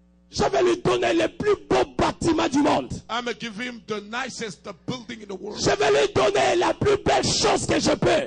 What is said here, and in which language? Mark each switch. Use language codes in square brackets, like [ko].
[fr] Je vais lui donner le plus beau bâtiment du monde. [en] I'm gonna give him the nicest building in the world. [fr] Je vais lui donner la plus belle chose que je peux.